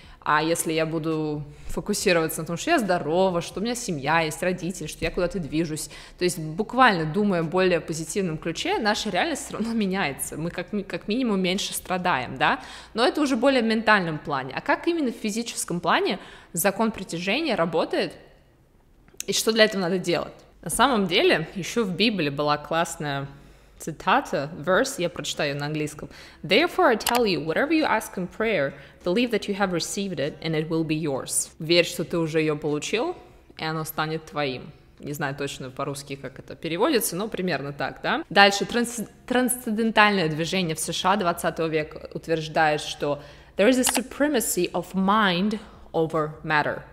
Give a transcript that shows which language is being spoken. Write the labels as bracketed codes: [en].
[ru] А если я буду фокусироваться на том, что я здорова, что у меня семья есть, родители, что я куда-то движусь, то есть буквально думая более позитивном ключе, наша реальность все равно меняется, мы как минимум меньше страдаем, да? Но это уже более в ментальном плане. А как именно в физическом плане закон притяжения работает и что для этого надо делать? На самом деле еще в Библии была классная цитата, verse, я прочитаю на английском. [en] Therefore I tell you, whatever you ask in prayer, believe that you have received it, and it will be yours. [ru] Верь, что ты уже ее получил, и оно станет твоим. Не знаю точно по-русски, как это переводится, но примерно так, да? Дальше, трансцендентальное движение в США 20 века утверждает, что [en] there is a supremacy of mind over matter.